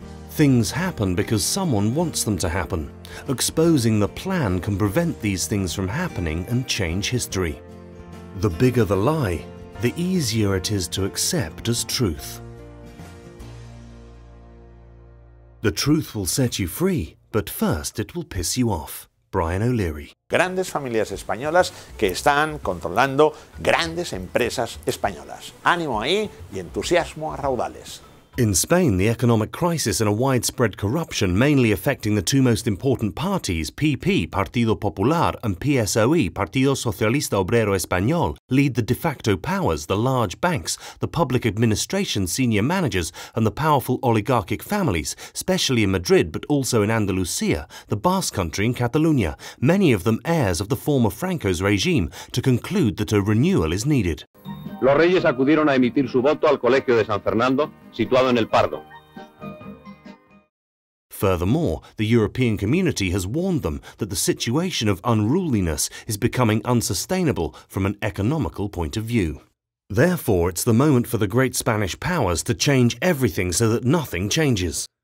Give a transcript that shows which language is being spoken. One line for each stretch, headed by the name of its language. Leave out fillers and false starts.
English: Things happen because someone wants them to happen. Exposing the plan can prevent these things from happening and change history. The bigger the lie, the easier it is to accept as truth. The truth will set you free, but first it will piss you off. Brian O'Leary.
Spanish: Grandes familias españolas que están controlando grandes empresas españolas. Ánimo ahí y entusiasmo a raudales.
English: In Spain, the economic crisis and a widespread corruption mainly affecting the two most important parties, PP, Partido Popular, and PSOE, Partido Socialista Obrero Español, lead the de facto powers, the large banks, the public administration senior managers, and the powerful oligarchic families, especially in Madrid but also in Andalusia, the Basque country in Catalonia, many of them heirs of the former Franco's regime, to conclude that a renewal is needed.
Spanish: Los reyes acudieron a emitir su voto al colegio de San Fernando, situado en el Pardo.
English: Furthermore, the European community has warned them that the situation of unruliness is becoming unsustainable from an economical point of view. Therefore, it's the moment for the great Spanish powers to change everything so that nothing changes.